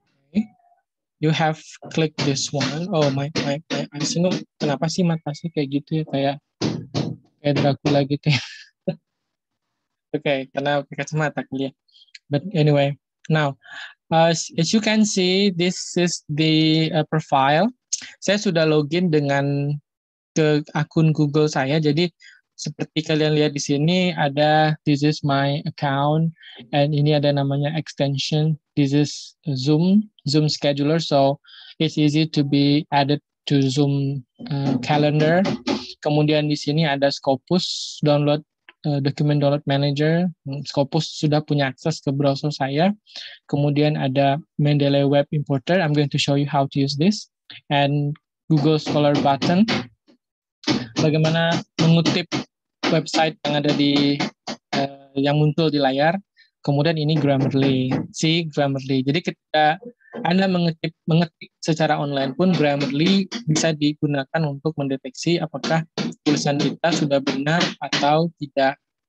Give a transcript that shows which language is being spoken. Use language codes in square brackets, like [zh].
[en] Okay. You have click this one. Oh, my eyes. [id] Kenapa sih mata sih kayak gitu ya? Kayak Dracula gitu ya. Okay, karena kacamata kali ya. [en] But anyway, now, as you can see, this is the profile. [id] Saya sudah login dengan ke akun Google saya. Jadi seperti kalian lihat di sini ada [en] this is my account [id] and ini ada namanya extension. [en] This is Zoom scheduler, so it's easy to be added to Zoom calendar. [id] Kemudian di sini ada Scopus download document download manager. Scopus sudah punya akses ke browser saya. Kemudian ada Mendeley web importer. [en] I'm going to show you how to use this and Google Scholar button. [id] Bagaimana mengutip website yang ada di yang muncul di layar. Kemudian ini Grammarly. See, Grammarly. Jadi ketika Anda mengetik secara online pun, Grammarly bisa digunakan untuk mendeteksi apakah tulisan kita sudah benar atau tidak.